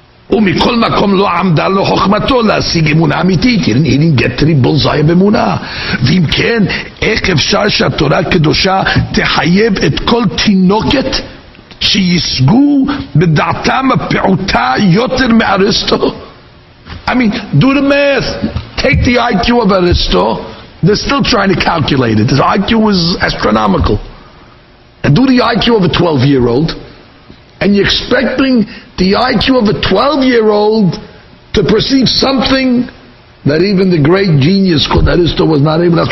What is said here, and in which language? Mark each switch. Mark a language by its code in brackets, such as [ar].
[he] ומכל מקום לא עמדה לו חוכמתו להשיג אמונה אמיתית. [en] He didn't get to the bullseye of אמונה. [he] ואם כן, איך אפשר שהתורה הקדושה תחייב את כל תינוקת שיסגו בדעתם הפעוטה יותר מאריסטו? [en] I mean, do the math. Take the IQ of Aristo. They're still trying to calculate it. His IQ was astronomical. And do the IQ of a 12-year-old. And you're expecting the IQ of a 12-year-old to perceive something that even the great genius called Aristo was not able to ask.